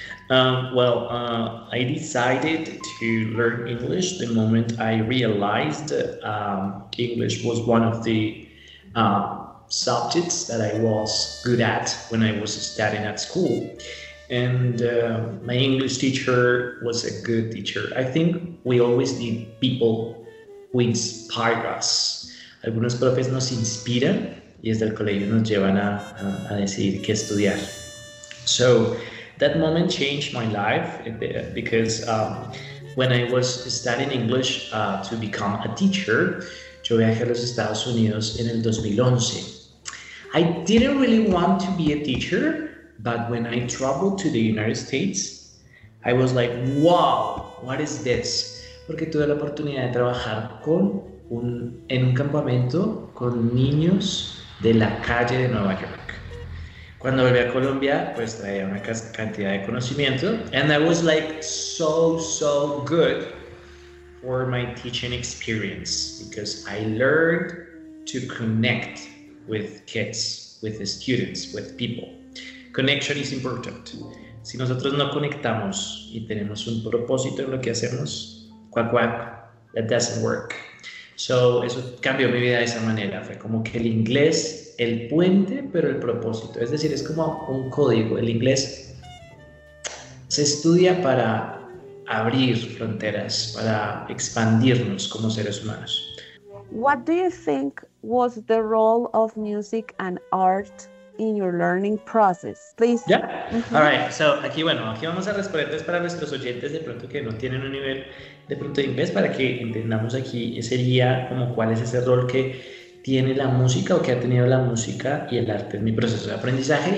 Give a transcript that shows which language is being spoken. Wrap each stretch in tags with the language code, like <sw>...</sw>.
<en>I decided to learn English the moment I realized English was one of the subjects that I was good at when I was studying at school. And my English teacher was a good teacher. I think we always need people who inspire us.</en> <es>Algunos profes nos inspiran y desde el colegio nos llevan a decir qué estudiar.</es> <en>So that moment changed my life because when I was studying English to become a teacher,</en> <es>yo viajé a los Estados Unidos en el 2011.</es> <en>I didn't really want to be a teacher, but when I traveled to the United States, I was like, wow, what is this?</en> <es>Porque tuve la oportunidad de trabajar en un campamento con niños de la calle de Nueva York. Cuando volví a Colombia, pues traía una cantidad de conocimiento.</es> <en>And I was like so, so good for my teaching experience because I learned to connect with kids, with the students, with people. Connection is important.</en> <es>Si nosotros no conectamos y tenemos un propósito en lo que hacemos, quack, quack,</es> <en>that doesn't work.</en> <es>So eso cambió mi vida de esa manera. Fue como que el inglés, el puente, pero el propósito. Es decir, es como un código. El inglés se estudia para abrir fronteras, para expandirnos como seres humanos.</es> <en>What do you think was the role of music and art in your learning process? Please. Yeah. Mm-hmm. All right.</en> <es>So aquí vamos a responderles para nuestros oyentes de pronto que no tienen un nivel de pronto de inglés para que entendamos aquí. Sería como cuál es ese rol que tiene la música o que ha tenido la música y el arte en mi proceso de aprendizaje.</es>